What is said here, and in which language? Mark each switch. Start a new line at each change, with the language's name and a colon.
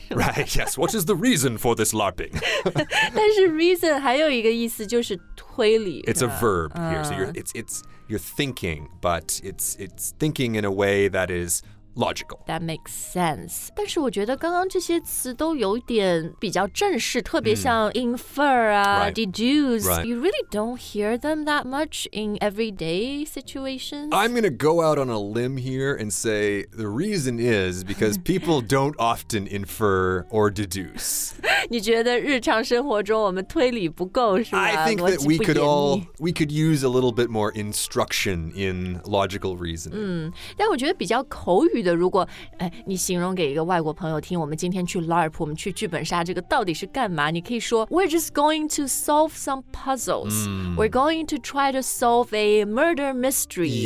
English: Right, yes, what is the reason for this LARPing?
Chinese: 但是 reason 还有一个意思就是推理
English: It's a verb here, so you're thinking, but it's thinking in a way that is logical. That makes sense.
Chinese: 但是我觉得刚刚这些词都有点比较正式，特别像 infer 啊
English: right. deduce. Right. You really don't hear them that much in everyday situations. I'm going to go out on a limb here and say the reason is because people don't often infer or deduce.
Chinese: 你觉得日常生活中我们推理不够是吧
English: I think that we could use a little bit more instruction in logical reasoning.
Chinese: 但我觉得比较口语的如果、你形容给一个外国朋友听我们今天去 LARP 我们去剧本杀这个到底是干嘛你可以说
English: We're just going to solve some puzzles.、 We're going to try to solve a murder mystery.